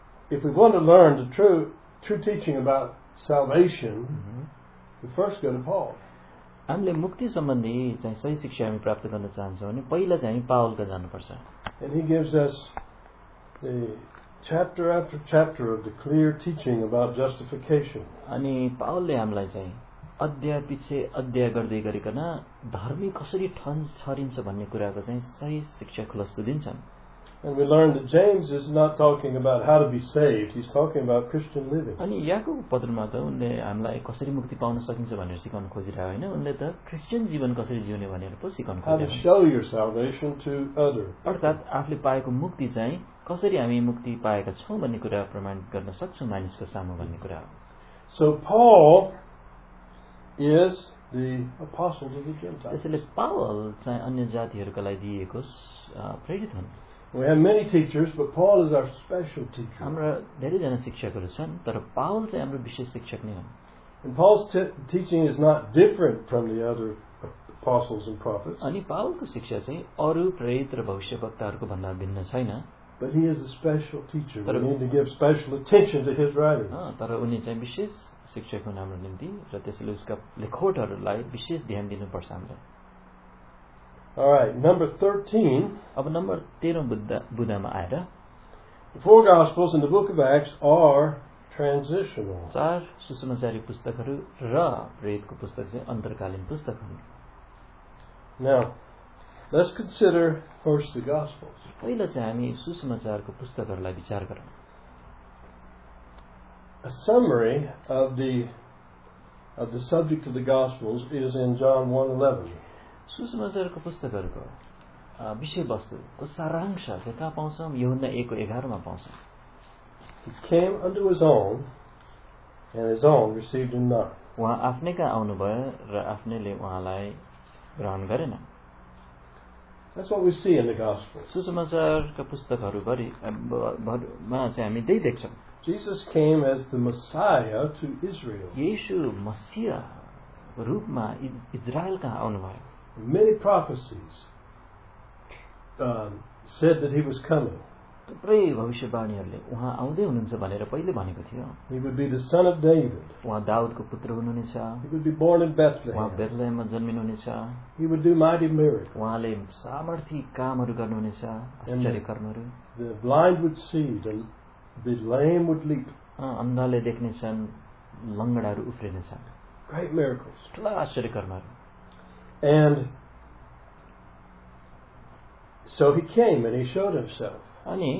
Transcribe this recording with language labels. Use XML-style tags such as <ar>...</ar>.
<en>if we want to learn the true teaching about salvation, we first go to Paul.</en> <ne>हामीले मुक्ति सम्बन्धी चाहिँ सही शिक्षा हामी प्राप्त गर्न चाहन्छौँ भने पहिला चाहिँ हामी पावलको जानुपर्छ.</ne> <en>And he gives us the chapter after chapter of the clear teaching about justification.</en> <ne>अनि पावलले हामीलाई चाहिँ अध्याय पछि अध्याय गर्दै गरिकन धर्मी कसरी ठन छरिन्छ भन्ने कुराको चाहिँ सही शिक्षा खुलस्त दिन्छन्.</ne> <en>And we learned that James is not talking about how to be saved. He's talking about Christian living.</en> <ne>अनि याकूब पत्रमा त उनले हामीलाई कसरी मुक्ति पाउन सकिन्छ भनेर सिकाउन खोजिरहेको हैन. उनले त क्रिश्चियन जीवन कसरी जिउने भनेर पो सिकाउन खोजिरहेको.</ne> <en>How to show your salvation to others.</en> <ne>अर्थात् आफूले पाएको मुक्ति चाहिँ कसरी हामी मुक्ति पाएका छौं भन्ने कुरा प्रमाणित गर्न सक्छौं मानिसको सामु भन्ने कुरा हो.</ne> <en>So Paul is the apostle to the Gentiles.</en> <ne>यसले पावल चाहिँ अन्य जातिहरूका लागि दिएको प्रेरित हुन्.</ne> <en>We have many teachers, but Paul is our special teacher.</en> <ne>हाम्रो धेरै जना शिक्षकहरू छन् तर पावल चाहिँ हाम्रो विशेष शिक्षक नै हुन्.</ne> <en>And Paul's teaching is not different from the other apostles and prophets.</en> <ne>अनि पावलको शिक्षा चाहिँ अरू प्रेरित र भविष्यवक्ताहरूको भन्दा भिन्न छैन.</ne> <en>But he is a special teacher. We need to give special attention to his writings.</en> <ne>तर उनी चाहिँ विशेष शिक्षक हुन् हाम्रो निम्ति र त्यसैले उसका लेखोटहरूलाई विशेष ध्यान दिनुपर्छ हामीले.</ne> <en>All right, number 13.</en> <ne>अब नम्बर 13 बुदामा आएर</ne> <en>The four gospels and the book of Acts are transitional.</en> <ne>चार सुसमाचारी पुस्तकहरू र प्रेरितको पुस्तक चाहिँ अन्तरकालीन पुस्तक हुन्.</ne> <en>Now, let's consider first the gospels.</en> <ne>पहिला चाहिँ हामी सुसमाचारको पुस्तकहरूलाई विचार गरौँ.</ne> <en>A summary of the subject of the gospels is in John 1:11.</en> <ne>सुसमाचारको पुस्तकहरूको विषयवस्तुको सारांश चाहिँ कहाँ पाउँछौँ? यूहन्ना 1:11 पाउँछ.</ne> <en>He came unto his own, and his own received him not.</en> <ne>उहाँ आफ्नै कहाँ आउनुभयो र आफ्नैले उहाँलाई ग्रहण गरेन.</ne> <en>That's what we see in the gospel.</en> <ne>सुसमाचारका पुस्तकहरूभरिमा चाहिँ हामी त्यही देख्छौँ.</ne> <en>Jesus came as the Messiah to Israel.</en> <ne>Yeshu मसीहा रूपमा इजरायल कहाँ आउनुभयो.</ne> <en>Many prophecies said that he was coming.</en> <ne>थुप्रै भविष्यवाणीहरूले उहाँ आउँदै हुनुहुन्छ भनेर पहिले भनेको थियो.</ne> <en>He would be the son of David.</en> <ne>उहाँ दाउदको पुत्र हुनुहुनेछ.</ne> <en>He would be born in Bethlehem.</en> <ne>उहाँ बेथलेहममा जन्मिनुहुनेछ.</ne> <en>He would do mighty miracles.</en> <ne>उहाँले सामर्थी कामहरू गर्नुहुनेछ, आश्चर्य कर्महरू.</ne> <en>The blind would see, the lame would leap.</en> <ne>अन्धले देख्नेछन्, लङ्गडाहरू उफ्रिनेछन्.</ne> <en>Great miracles.</en> <ne>ठुला आश्चर्य कर्महरू.</ne> <en>And so he came and he showed himself.</en> <ne>अनि</ne>